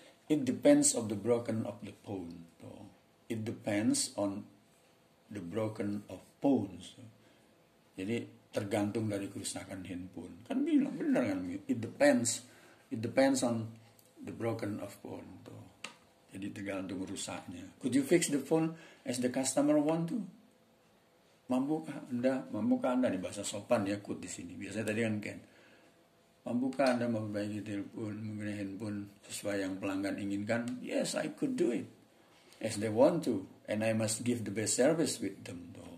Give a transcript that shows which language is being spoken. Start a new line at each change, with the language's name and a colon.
English: It depends on the broken of the phone. It depends on the broken of phones.
Indonesian: Jadi tergantung dari kerusakan handphone. Kan bilang bener kan?
English: It depends.
Indonesian: It depends on the broken of phone. Jadi tergantung rusaknya.
English: Could you fix the phone as the customer want to?
Indonesian: Mampukah Anda? Mampukah Anda? Ini bahasa sopan ya, could di sini. Biasanya tadi kan can. Mampukah Anda memperbaiki telepon, mengenai handphone sesuai yang pelanggan inginkan?
English: Yes, I could do it as they want to, and I must give the best service with them.